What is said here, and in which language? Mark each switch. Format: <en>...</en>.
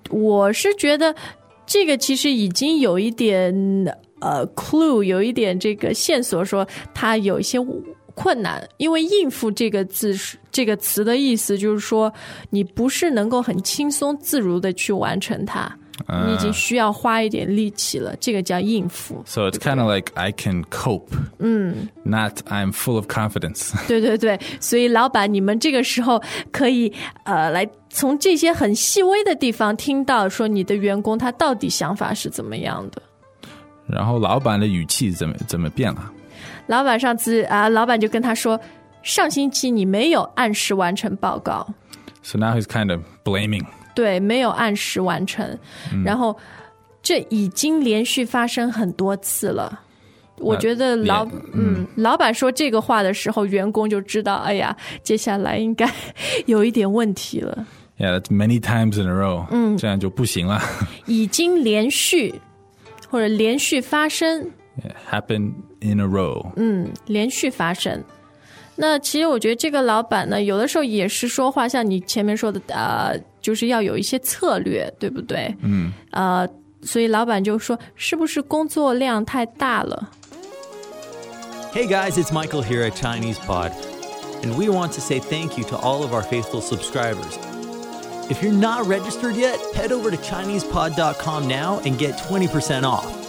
<zh>我是觉得这个其实已经有一点clue， 有一点这个线索说它有一些困难。因为应付这个字，这个词的意思就是说你不是能够很轻松自如的去完成它。你已经需要花一点力气了，这个叫应付。</zh> <en>So it's kind of like I can cope.</en> <zh>嗯。</zh> <en>Not I'm full of confidence.</en> <zh>对对对，所以老板，你们这个时候可以来从这些很细微的地方听到说你的员工他到底想法是怎么样的。然后老板的语气怎么变了？老板上次老板就跟他说，上星期你没有按时完成报告。</zh> <en>So now he's kind of blaming.</en> <zh>对，没有按时完成，然后这已经连续发生很多次了。我觉得老板说这个话的时候，员工就知道，哎呀，接下来应该有一点问题了。</zh> <en>Yeah, that's many times in a row.</en> <zh>嗯，这样就不行了。已经连续或者连续发生</zh> <en>，happen in a row.</en> <zh>嗯，连续发生。那其实我觉得这个老板呢，有的时候也是说话，像你前面说的，就是要有一些策略，对不对？嗯。所以老板就说，是不是工作量太大了</zh> <en>？Hey guys, it's Michael here at Chinese Pod, and we want to say thank you to all of our faithful subscribers. If you're not registered yet, head over to ChinesePod.com now and get 20% off.</en>